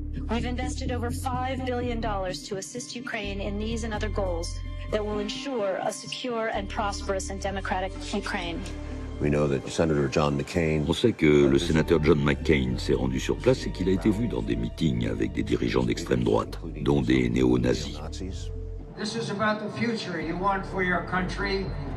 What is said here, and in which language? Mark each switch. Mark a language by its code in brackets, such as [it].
[en] We've invested over $5 billion to assist Ukraine in these and other goals that will ensure a secure and prosperous and democratic Ukraine. We know that Senator John McCain. [fr] On sait que le sénateur John McCain s'est rendu sur place et qu'il a été vu dans des meetings avec des dirigeants d'extrême droite, dont des néo-nazis. [en] This is about the future you want for your country.